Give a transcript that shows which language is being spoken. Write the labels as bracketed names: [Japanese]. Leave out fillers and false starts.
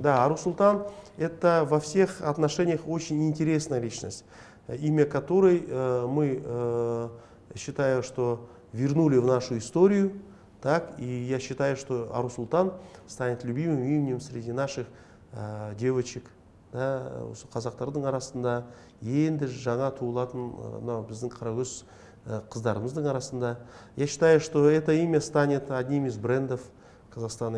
[Russian] Да, Ар-Султан – это во всех отношениях очень интересная личность, имя которой мы считаем, что вернули в нашу историю. Так, и я считаю, что Ар-Султан станет любимым именем среди наших девочек. [Kazakh] Да, қазақтардың арасында, енді жаңа туылатын, біздің қарагөз қыздарымыздың арасында. [Russian] Я считаю, что это имя станет одним из брендов Казахстана.